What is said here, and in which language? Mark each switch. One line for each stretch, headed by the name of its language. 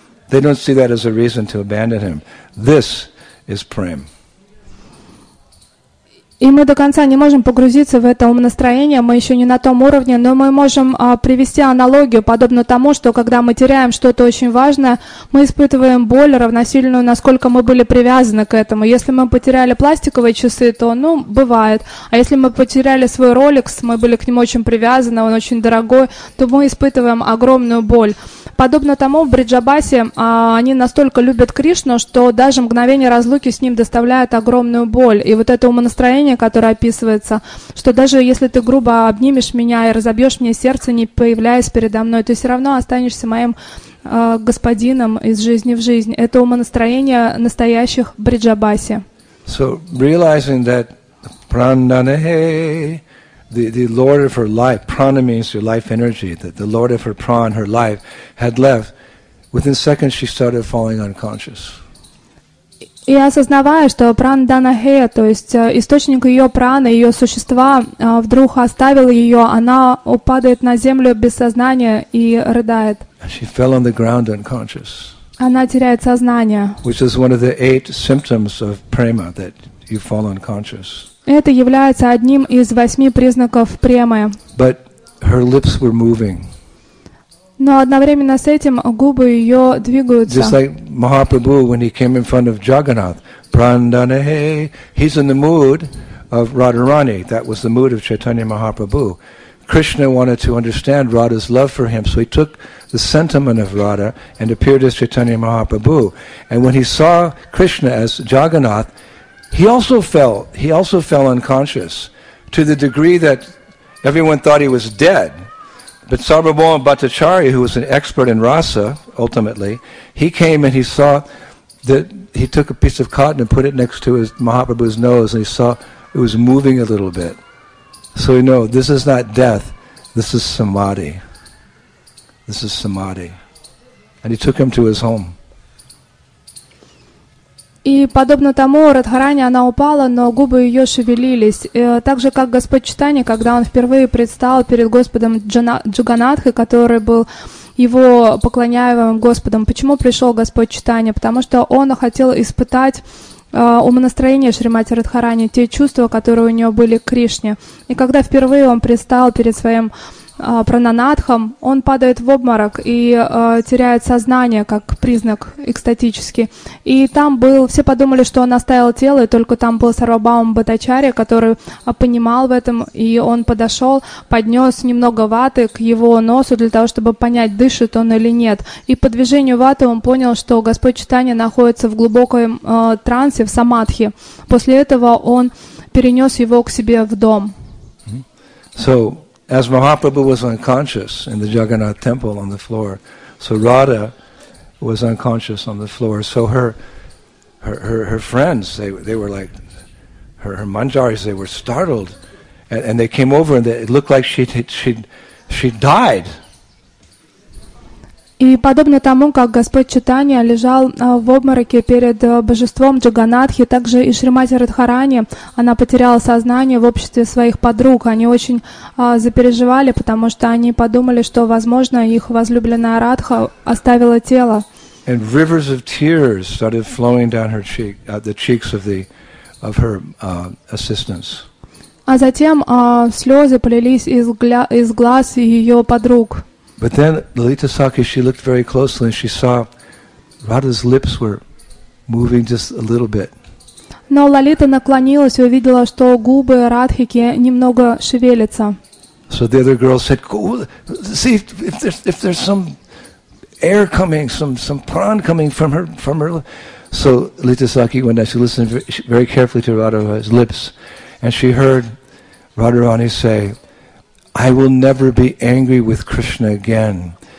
English: They don't see that as a reason to abandon him. This is prem.
Russian: И мы до конца не можем погрузиться в это умонастроение, мы еще не на том уровне, но мы можем привести аналогию, подобно тому, что когда мы теряем что-то очень важное, мы испытываем боль равносильную, насколько мы были привязаны к этому. Если мы потеряли пластиковые часы, то, ну, бывает. А если мы потеряли свой Rolex, мы были к нему очень привязаны, он очень дорогой, то мы испытываем огромную боль. Подобно тому, в Бриджабасе они настолько любят Кришну, что даже мгновение разлуки с ним доставляет огромную боль. И вот это умонастроение, которое описывается, что даже если ты грубо обнимешь меня и разобьешь мне сердце, не появляясь передо мной, ты все равно останешься моим господином из жизни в жизнь. Это умонастроение настоящих Бриджабаси.
English: So, realizing that Prananehe, the Lord of her life, prana means your life energy, that the Lord of her prana, her life, had left, within seconds she started falling unconscious.
Russian: И осознавая, что прандана-хея, то есть источник ее праны, ее существа, вдруг оставил ее, она упадает на землю без сознания и рыдает.
English: And she fell on the ground unconscious.
Russian: Она теряет сознание.
English: Which is one of the eight symptoms of prema, that you fall unconscious.
Russian: Это является одним из восьми признаков премы.
English: But her lips were moving.
Russian: Но одновременно с этим губы ее двигаются.
English: Just like Mahaprabhu, when he came in front of Jagannath, Prandanehe, he's in the mood of Radharani. That was the mood of Chaitanya Mahaprabhu. Krishna wanted to understand Radha's love for him, so he took the sentiment of Radha and appeared as Chaitanya Mahaprabhu. And when he saw Krishna as Jagannath, He also fell unconscious to the degree that everyone thought he was dead. But Sarvabhauma Bhattacharya, who was an expert in rasa, ultimately, he came and he saw that he took a piece of cotton and put it next to his Mahaprabhu's nose and he saw it was moving a little bit. So you know, this is not death, this is samadhi. This is samadhi. And he took him to his home.
Russian: И подобно тому, Радхарани она упала, но губы ее шевелились. И, так же, как Господь Чайтанья, когда он впервые предстал перед Господом Джаганатхой, который был его поклоняемым Господом. Почему пришел Господь Чайтанья? Потому что он хотел испытать умонастроение Шримати Радхарани, те чувства, которые у нее были к Кришне. И когда впервые он предстал перед своим Прананатхам, он падает в обморок и теряет сознание как признак экстатический. И там был, все подумали, что он оставил тело, и только там был Сарвабхаума Бхаттачарья, который понимал в этом, и он подошел, поднес немного ваты к его носу для того, чтобы понять, дышит он или нет. И по движению ваты он понял, что Господь Чайтанья находится в глубоком трансе, в самадхи. После этого он перенес его к себе в дом.
English: So, as Mahaprabhu was unconscious in the Jagannath temple on the floor, so Radha was unconscious on the floor. So her friends, they were like, her manjaris, they were startled, and they came over and it looked like she died.
Russian: И подобно тому, как Господь Чайтанья лежал в обмороке перед божеством Джаганатхи, также и Шримати Радхарани, она потеряла сознание в обществе своих подруг. Они очень запереживали, потому что они подумали, что, возможно, их возлюбленная Радха оставила тело.
English: And rivers of tears started flowing down her cheek, the cheeks of the of her assistants.
Russian: А затем слезы полились из глаз ее подруг.
English: But then Lalita Sakhi, she looked very closely and she saw Radha's lips were moving just a little bit.
Russian: Но Лалита наклонилась и увидела, что губы Радхики немного шевелятся.
English: So the other girl said, "Go see if there's some air coming, some prana coming from her. So Lita Saki went down. She listened very carefully to Radharani's lips, and she heard Radharani say, "I will never be angry with Krishna again.